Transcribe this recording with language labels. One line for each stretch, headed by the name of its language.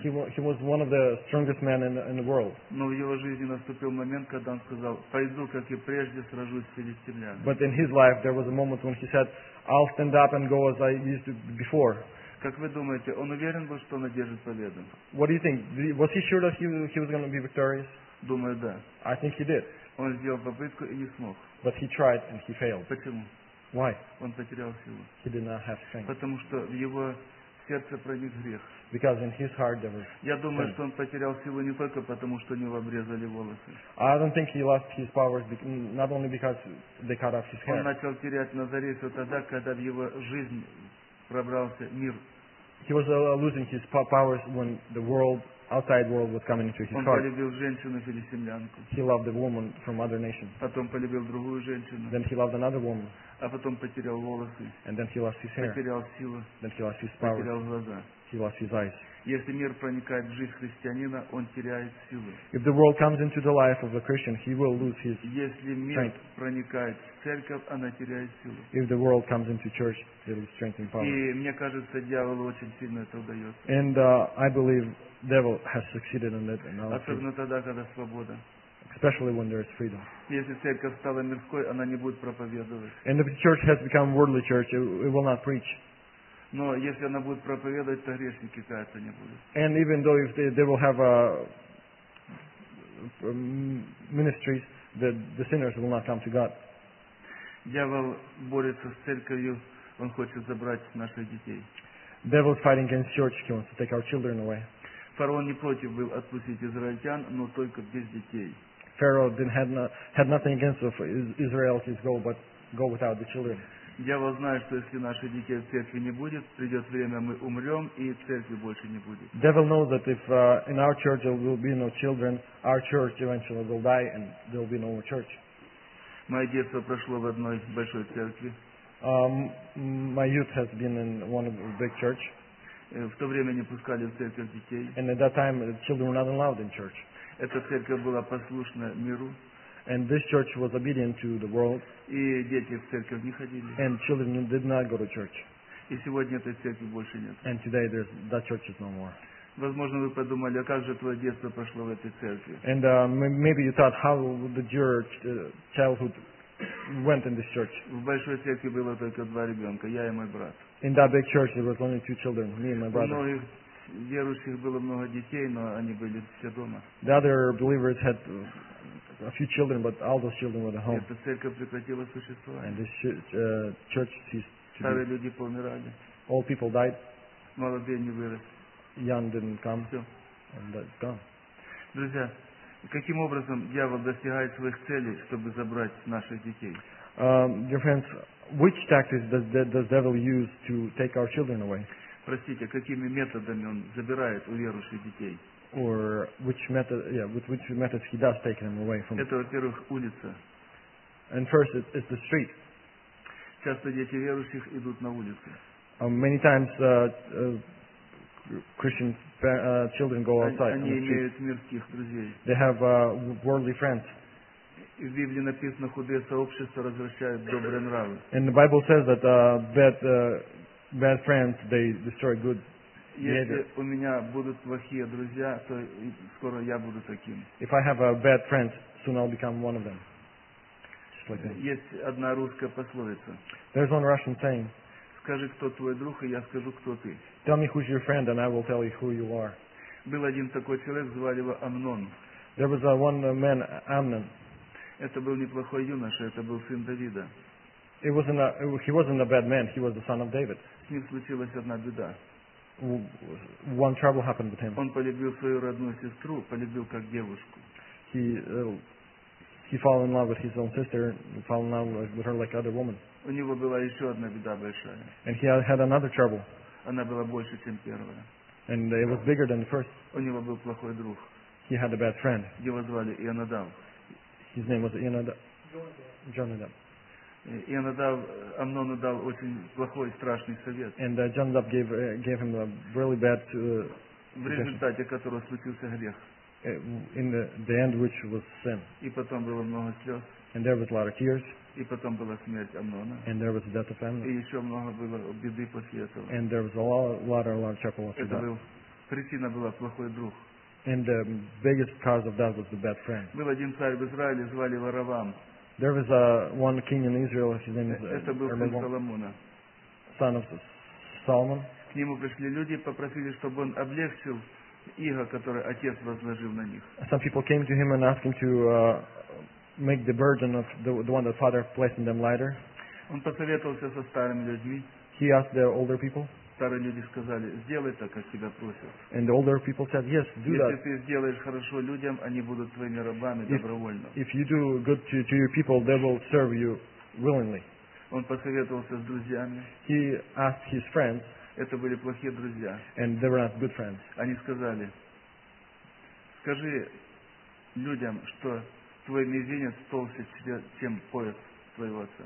English: He was one of the strongest men in the world.
Russian: Но в его жизни наступил момент, когда он сказал: «Пойду, как и прежде, сражусь с филистимлянами».
English: But in his life there was a moment when he said, "I'll stand up and go as I used to before."
Russian: Как вы думаете, он уверен был, что он одержит победу?
English: What do you think? Was he sure that he was going to be victorious?
Russian: Думаю, да.
English: I think he did.
Russian: Он сделал попытку и не смог.
English: But he tried and he failed.
Russian: Почему?
English: Why?
Russian: Он потерял силу.
English: He did not have strength.
Russian: Потому что в его сердце проник грех.
English: Because in his heart there was.
Russian: Я думаю, strength. Что он потерял силу не только потому, что у него обрезали волосы.
English: I don't think he lost his powers not only because they cut off his hair.
Russian: Он начал терять назарейство тогда, когда в его жизнь пробрался мир.
English: He was losing his powers when the world, outside world, was coming into his heart.
Russian: Он полюбил женщину филистимлянку.
English: He loved a woman from other nation.
Russian: Потом полюбил другую женщину.
English: Then he loved another woman.
Russian: А потом потерял волосы.
English: And then he lost his hair.
Russian: Потерял силу.
English: Then he lost his power.
Russian: Потерял глаза.
English: He lost his eyes.
Russian: Если мир проникает в жизнь христианина, он теряет силу.
English: If the world comes into the life of a Christian, he will lose his strength.
Russian: Если мир проникает в церковь, она теряет силу.
English: If the world comes into church, they lose strength and power.
Russian: И мне кажется, дьяволу очень сильно это удается.
English: And I believe the devil has succeeded in it.
Russian: Особенно тогда, когда свобода.
English: Especially when there is freedom.
Russian: Если церковь стала мирской, она не будет проповедовать.
English: And if the church has become worldly church, it will not preach.
Russian: Но если она будет проповедовать, то грешники каяться не будут.
English: And even though if they will have ministries, the sinners will not come to God.
Russian: Дьявол борется с церковью, он хочет забрать наших детей.
English: Devil is fighting against church, he wants to take our children away.
Russian: Фараон не против был отпустить израильтян, но только без детей.
English: Pharaoh had nothing against the Israelites go, but go without the children.
Russian: Я вас знаю, что если наших детей в церкви не будет, придет время, мы умрем, и церкви больше не будет.
English: Devil knows that if in our church there will be no children, our church eventually will die and there will be no more church.
Russian: Мое детство прошло в одной большой церкви.
English: My youth has been in one of the big church.
Russian: В то время не пускали в церковь детей.
English: And at that time, children were not allowed in church.
Russian: Эта церковь была послушна миру.
English: And this church was obedient to the world.
Russian: И дети в церковь не ходили.
English: And children did not go to church.
Russian: И сегодня этой церкви больше нет.
English: And today there's that church is no more.
Russian: Возможно, вы подумали, а как же твое детство прошло в этой церкви?
English: And maybe you thought, how did your childhood went in this church?
Russian: В большой церкви было только два ребенка, я и мой брат.
English: In that big church there was only two children, me and my brother.
Russian: У многих верующих было много детей, но они были все дома.
English: The other believers had a few children, but all those children were at home.
Russian: Эта церковь прекратила существовать.
English: And this church ceased to be.
Russian: Старые люди помирали.
English: All people died.
Russian: Молодые не выросли.
English: Young didn't come, and that's gone.
Russian: Друзья, каким образом дьявол достигает своих целей, чтобы забрать наших детей?
English: Dear friends, which tactics does devil use to take our children away?
Russian: Простите, какими методами он забирает у верующих детей?
English: Or which method? Yeah, with which methods he does take them away from?
Russian: Это, во-первых, улица.
English: And first, it's the street.
Russian: Часто дети верующих идут на улицу.
English: Many times. Christian children go outside.
Russian: Они имеют мирских друзей.
English: They have worldly friends.
Russian: В Библии написано, худые сообщества развращают добрые нравы.
English: And the Bible says that bad friends they destroy good behavior.
Russian: Если у меня будут плохие друзья, то скоро я буду таким.
English: If I have a bad friend, soon I'll become one of them. Just like that.
Russian: Есть одна русская пословица.
English: There's one Russian saying.
Russian: Скажи, кто твой друг, и я скажу, кто ты.
English: Tell me who's your friend, and I will tell you who you are.
Russian: Был один такой человек, звали его Амнон.
English: There was one man, Amnon.
Russian: Это был неплохой юноша, это был сын Давида.
English: He wasn't a bad man, he was the son of David.
Russian: С ним случилась одна беда.
English: One trouble happened with him.
Russian: Он полюбил свою родную сестру, полюбил как девушку.
English: He fell in love with his own sister, fell in love with her like other women.
Russian: У него была еще одна беда большая.
English: And he had another trouble.
Russian: Она была больше, чем первая.
English: And it was bigger than the first.
Russian: У него был плохой друг.
English: He had a bad friend.
Russian: Его звали Ионадав.
English: His name was Ионадав. Jonadab.
Russian: Ионадав Амнону дал очень плохой, страшный совет.
English: And Jonadab gave him a really bad suggestion.
Russian: В результате которого случился грех.
English: In the end, which was sin.
Russian: И потом было много слез.
English: And there was a lot of tears.
Russian: И потом была смерть Амнона.
English: And there was the death of Amnon.
Russian: И еще много было беды после этого.
English: And there was a lot of trouble after that.
Russian: Причина была плохой друг.
English: And the biggest cause of that was the bad friend.
Russian: Был один царь в Израиле, звали Варавам.
English: There was one king in Israel, his name is Rehoboam.
Russian: Это был сын Соломона.
English: Son of Solomon.
Russian: К нему пришли люди, попросили, чтобы он облегчил иго, которое отец возложил на них.
English: Some people came to him and asked him to make the burden of the one that father placed in them lighter.
Russian: Он посоветовался со старыми людьми.
English: He asked the older people.
Russian: Старые люди сказали, сделай так, как тебя просят.
English: And the older people said, yes, do
Russian: если
English: that.
Russian: Если ты сделаешь хорошо людям, они будут твоими рабами добровольно.
English: If you do good to your people, they will serve you willingly.
Russian: Он посоветовался с друзьями.
English: He asked his friends.
Russian: Это были плохие друзья.
English: And they were not good friends.
Russian: Они сказали, скажи людям, что твой мизинец толще, чем пояс твоего отца.